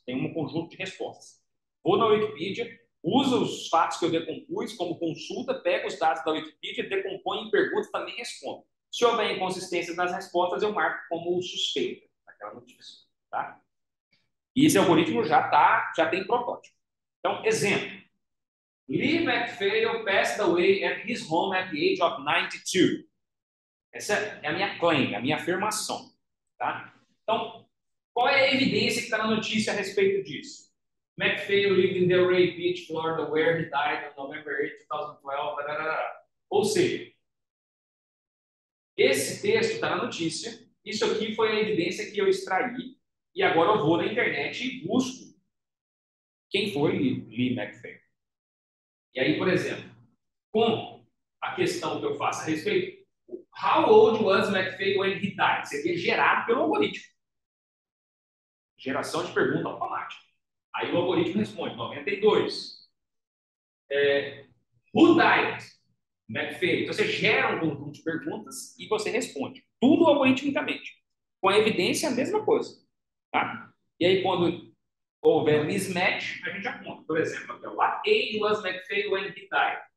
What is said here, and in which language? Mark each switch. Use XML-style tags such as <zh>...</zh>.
<pt>Tem um conjunto de respostas. Vou na Wikipedia, uso os fatos que eu decompus como consulta, pego os dados da Wikipedia, decomponho em perguntas, também respondo. Se houver inconsistência nas respostas, eu marco como suspeita aquela notícia, tá? E esse algoritmo já tem protótipo. Então, exemplo.</pt> <en>Lee MacPhail passed away at his home at the age of 92.</en> <pt>Essa é a minha claim, a minha afirmação, tá? Então, qual é a evidência que está na notícia a respeito disso?</pt> <en>MacPhail lived in Delray Beach, Florida, where he died on November 8, 2012.</en> <pt>Ou seja, esse texto está na notícia. Isso aqui foi a evidência que eu extraí e agora eu vou na internet e busco quem foi Lee MacPhail. E aí, por exemplo, com a questão que eu faço a respeito,</pt> <en>how old was MacPhail when he died?</en> <pt>Seria gerado pelo algoritmo. Geração de pergunta automática. Aí o algoritmo responde, 92.</pt> <en>Who died?</en> <pt>MacPhail. Então você gera um conjunto de perguntas e você responde. Tudo algoritmicamente. Com a evidência, a mesma coisa. Tá? E aí, quando houver mismatch, a gente aponta. Por exemplo, aqui,</pt> <en>what age was MacPhail when he died?</en>